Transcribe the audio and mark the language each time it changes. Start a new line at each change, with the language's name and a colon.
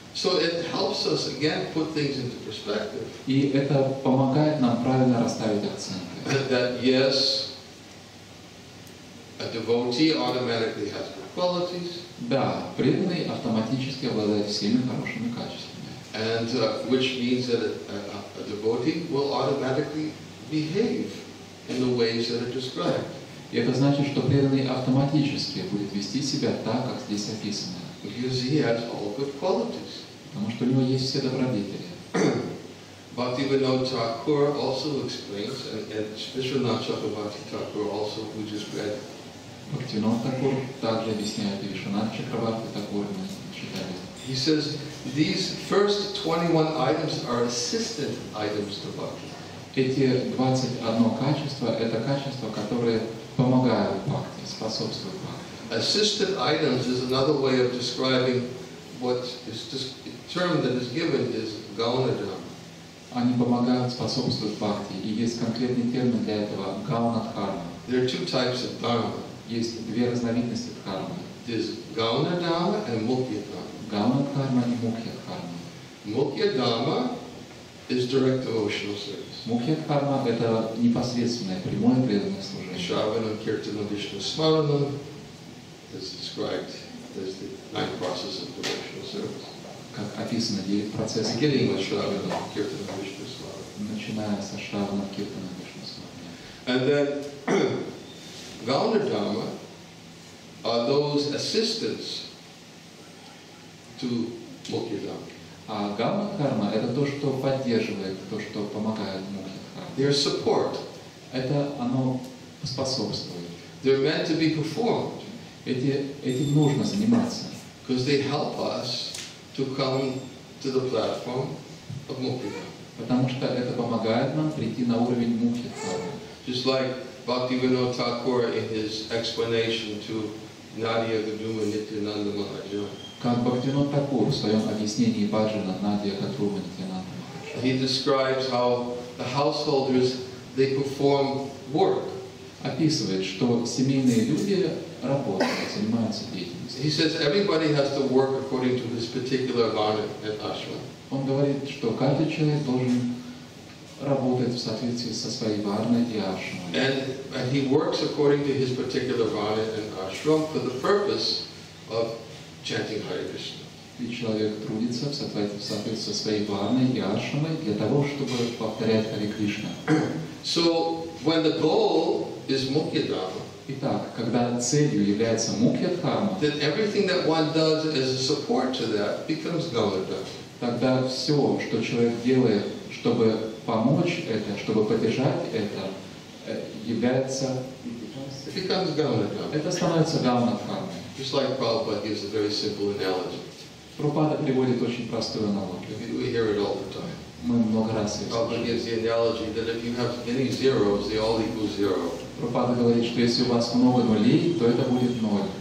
English: So it helps us again put things into perspective.
Russian: И это помогает нам правильно расставить акценты.
English: That yes, a devotee automatically has good qualities.
Russian: Да, преданный автоматически обладает всеми хорошими качествами.
English: And which means that a devotee will automatically behave in the ways that are described.
Russian: И это значит, что преданный автоматически будет вести себя так, как здесь описано.
English: Because he has all good qualities.
Russian: Потому что у него есть все добродетели.
English: Бхактивинода Тхакур also explains, and Вишванатха Чакрабарти Тхакур also, we just read.
Russian: Бхактивинода Тхакур также объясняет, и Вишванатха Чакрабарти Тхакур мы читали.
English: He says, these first 21 items are assistant items to Bhakti.
Russian: Эти 21 качество – это качества, которые помогают Бхакти, способствуют Бхакти.
English: Assistant items is another way of describing what is just term that is given is Gaunadharma.
Russian: они помогают, способствуют бхакти. И есть конкретный термин для этого – гауна-дхарма.
English: There are two types of dharma.
Russian: Есть две разновидности дхармы.
English: There's гауна-дхарма and мукья-дхарма.
Russian: Гауна-дхарма и мукья-дхарма.
English: Мукья-дхарма – is direct devotional service.
Russian: Мукья-дхарма – это непосредственное, прямое преданное служение.
English: Шраванам, киртанам, вишнам, смаранам – is described as the nine process of devotional service.
Russian: Как описано, 9 процессов.
English: Beginning with Shravana, Kirtana, Vishnu, Swara.
Russian: Начиная со Shravana, Kirtana, Vishnu, Swara.
English: And then, Gauna Dharma are those assistants to Mukhya Dharma.
Russian: А Gauna Dharma – это то, что поддерживает, то, что помогает Mukhya Dharma.
English: Their support.
Russian: Это оно способствует.
English: They're meant to be performed.
Russian: Этим нужно заниматься.
English: Because they help us to come to the platform of Mukhya.
Russian: Потому что это помогает нам прийти на уровень Mukhya.
English: Just like Bhaktivinoda Thakur in his explanation to Nadia Gadruma Nityananda Mahajan.
Russian: Как Бхактивинода Тхакура в своем объяснении Баджана Надия Гадрума Нитьянанда Махаджана.
English: He describes how the householders, they perform work.
Russian: Описывает, что семейные люди работают, занимаются деятельностью.
English: He says everybody has to work according to his particular vana and ashram.
Russian: Он говорит, что каждый человек должен работать в соответствии со своей варной и ашрамой.
English: And he works according to his particular vana and ashram for the purpose of chanting Hare Krishna.
Russian: И человек трудится в соответствии со своей варной и ашрамой для того, чтобы повторять Хари Кришна.
English: So when the goal is Mukhya Dharma.
Russian: Итак, когда целью является Mukhya Dharma,
English: then everything that one does as a support to that becomes Gauna Dharma.
Russian: Тогда все, что человек делает, чтобы помочь это, чтобы поддержать это, является
English: it becomes Gauna Dharma.
Russian: Это становится Gauna Dharma.
English: Just like Prabhupada gives a very simple analogy.
Russian: Прабхупада приводит очень простую аналогию.
English: We hear it all the time.
Russian: Мы много раз слышали.
English: Prabhupada gives the analogy that if you have any zeros, they all equal zero.
Russian: Пропада говорит, что если у вас много нулей, то это будет ноль.